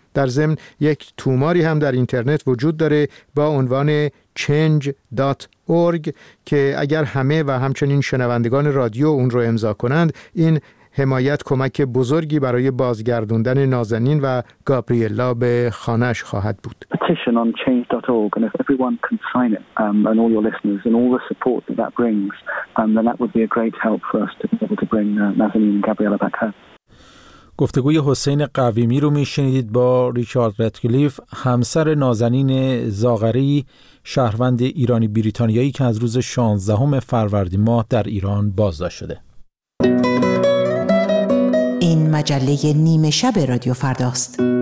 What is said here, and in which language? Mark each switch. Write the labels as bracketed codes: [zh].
[fa] در ضمن یک توماری هم در اینترنت وجود داره با عنوان change.org که اگر همه و همچنین شنوندگان رادیو اون رو امضا کنند، این حمایت کمک بزرگی برای بازگردوندن نازنین و گابریلا به خانه‌اش خواهد بود. [en] Petition on change.org, and if everyone can sign it, and all your listeners and all the support that brings, then that would be a great help for us to be able to bring Nazanin and Gabriella back home. [fa] گفتگوی حسین قویمی رو می شنیدید با ریچارد رادکلیف، همسر نازنین زاغری، شهروند ایرانی بریتانیایی که از روز 16 فروردین ماه در ایران بازداشت شده. این مجله نیمه شب رادیو فرداست.